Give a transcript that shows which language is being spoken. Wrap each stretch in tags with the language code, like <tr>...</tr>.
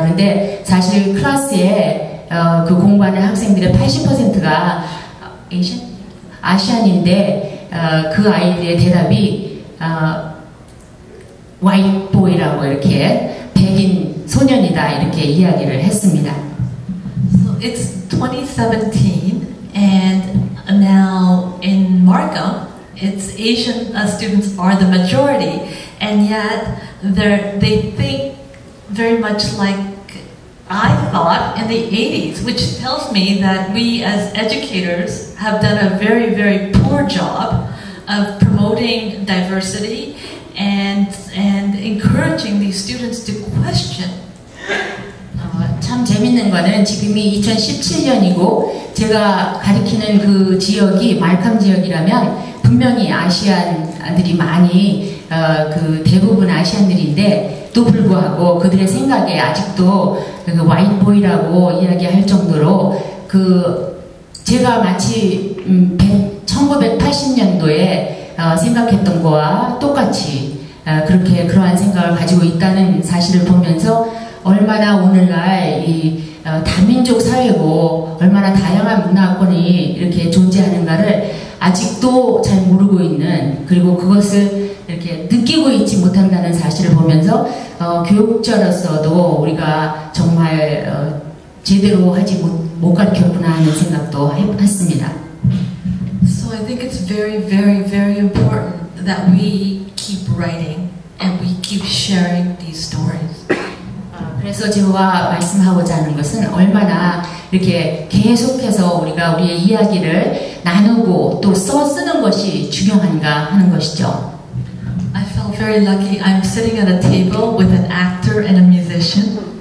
<ko>근데 사실 클래스에 그 공부하는 학생들의 80%가 Asian? 아시안인데 그 아이들의 대답이</ko> <en>white boy</en> <ko>라고 이렇게 백인 소년이다 이렇게 이야기를 했습니다.</ko> <en>So it's 2017 and now in Markham, it's Asian students are the majority, and yet they think very much like I thought in the 80s, which tells me that we as educators have done a very, very poor job of promoting diversity and encouraging these students to question.</en> <ko>참 재밌는 거는 지금이 2017년이고 제가 가리키는 그 지역이 말캄 지역이라면 분명히 아시안들이 많이 그 대부분 아시안들인데 또 불구하고 그들의 생각에 아직도 그</ko> <en>white boy</en> <ko>라고 이야기할 정도로 그 제가 마치 1980년도에 생각했던 거와 똑같이 그렇게 그러한 생각을 가지고 있다는 사실을 보면서 얼마나 오늘날 이 다민족 사회고 얼마나 다양한 문화권이 이렇게 존재하는가를 아직도 잘 모르고 있는 그리고 그것을 이렇게 느끼고 있지 못한다는 사실을 보면서 교육자로서도 우리가 정말 제대로 하지 못 가르쳤구나 하는 생각도 했습니다.</ko> <en>So I think it's very, very, very important that we keep writing and we keep sharing these stories.</en> <ko>그래서 제가 말씀하고자 하는 것은 얼마나 이렇게 계속해서 우리가 우리의 이야기를 나누고 또 쓰는 것이 중요한가 하는 것이죠.</ko> <en>I felt very lucky. I'm sitting at a table with an actor and a musician.</en>